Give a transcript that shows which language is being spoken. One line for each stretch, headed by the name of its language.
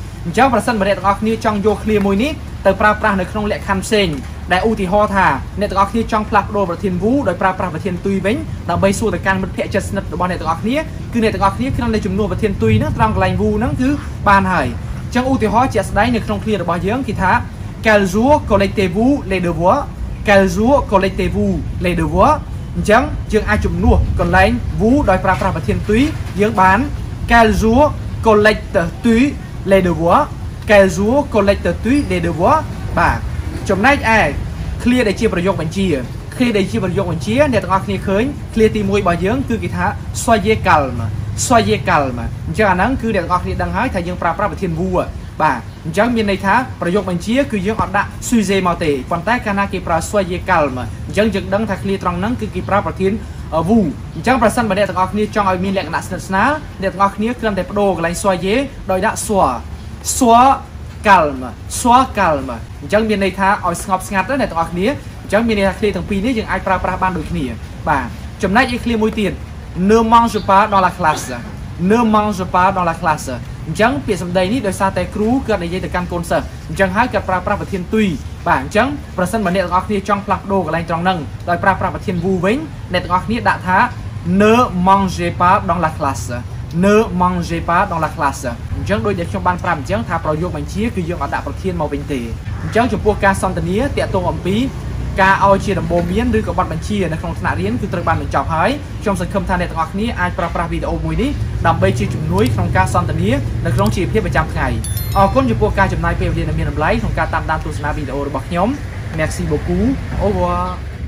Khmer: អញ្ចឹងប្រសិនម្នាក់ទាំងអស់គ្នាចង់យកគ្នាមួយនេះទៅប្រើប្រាស់នៅក្នុងលក្ខខណ្ឌផ្សេងដែលឧទាហរណ៍ថាអ្នកទាំងអស់គ្នាចង់ផ្លាស់ប្ដូរប្រធានវូដោយប្រើប្រាស់ប្រធានទុយវិញដើម្បីសួរទៅកាន់មិត្តភ័ក្តិជិតស្និទ្ធរបស់អ្នកទាំងអស់គ្នាគឺអ្នកទាំងអស់គ្នាក្នុងនៃចំនួនប្រធានទុយហ្នឹងត្រង់កន្លែងវូហ្នឹងគឺបានហើយអញ្ចឹងឧទាហរណ៍ជាក់ស្ដែងនៅក្នុងឃ្លារបស់យើងគឺថា
French: Quel jour collectez-vous les devoirs? Quel jour collectez-vous les devoirs?
Khmer: អញ្ចឹងយើងអាចជំនួសកន្លែងវូដោយប្រើប្រាស់ប្រធានទុយយើងបាន
French: Quel jour collectez-tu les devoirs? Quel jour collectez-tu les devoirs?
Khmer: បាទចំណែកឯឃ្លាដែលជាប្រយោគបញ្ជាឃ្លាដែលជាប្រយោគបញ្ជាអ្នកទាំងអស់គ្នាឃើញឃ្លាទី1របស់យើងគឺគេថា
French: Soyez calme. Soyez calme.
Khmer: អញ្ចឹងអាហ្នឹងគឺអ្នកទាំងអស់គ្នាដឹងហើយថាយើងប្រើប្រាស់ប្រធានវូបាទអញ្ចឹងមានន័យថាប្រយោគបញ្ជាគឺយើងអត់ដាក់ Soyez មកទេប៉ុន្តែកាលណាគេប្រើ
French: Soyez calme.
Khmer: អញ្ចឹងយើងដឹងថាឃ្លាត្រង់ហ្នឹងគឺគេប្រើប្រធានវូអញ្ចឹងប្រសិនបើអ្នកទាំងអស់គ្នាចង់ឲ្យមានលក្ខណៈស្និទ្ធស្នាលអ្នកទាំងអស់គ្នាគ្រាន់តែបដូរកន្លែង Soyez ដោយដាក់
French: Soyez calme. Soyez calme.
Khmer: អញ្ចឹងមានន័យថាឲ្យស្ងប់ស្ងាត់ណាអ្នកទាំងអស់គ្នាអញ្ចឹងមានន័យថាឃ្លាទាំងពីរនេះយើងអាចប្រើប្រាស់បានដូចគ្នាបាទចំណែកឯឃ្លាមួយទៀត
French: Ne mange pas dans la classe. Ne mange pas dans la classe.
Khmer: អញ្ចឹងពាក្យសម្ដីនេះដោយសារតែគ្រូគាត់និយាយទៅកាន់កូនសិស្សអញ្ចឹងហើយគាត់ប្រើប្រាស់ប្រធានទុយបាទអញ្ចឹងប្រសិនបើអ្នកទាំងអស់គ្នាចង់ផ្លាស់ប្ដូរកន្លែងត្រង់ហ្នឹងដោយប្រើប្រាស់ប្រធានវូវិញអ្នកទាំងអស់គ្នាដាក់ថា
French: Ne mange pas dans la classe. Ne mangez pas dans la classe.
Khmer: អញ្ចឹងដូចដែលខ្ញុំបានប្រាប់អញ្ចឹងថាប្រយោគបញ្ជាគឺយើងអាចដាក់ប្រធានមកវិញទេអញ្ចឹងចំពោះការសន្ទនាតាក់ទងអំពីការឲ្យជាដំបូន្មានឬក៏បទបញ្ជានៅក្នុងថ្នាក់រៀនគឺត្រូវបានបញ្ចប់ហើយខ្ញុំសង្ឃឹមថាអ្នកទាំងអស់គ្នាអាចប្រើប្រាស់វីដេអូមួយនេះដើម្បីជាជំនួយក្នុងការសន្ទនានៅក្នុងជីវភាពប្រចាំថ្ងៃអរគុណចំពោះការចំណាយពេលវេលាដ៏មានតម្លៃក្នុងការតាមដានទស្សនាវីដេអូរបស់ខ្ញុំ
French: Merci beaucoup. Au revoir.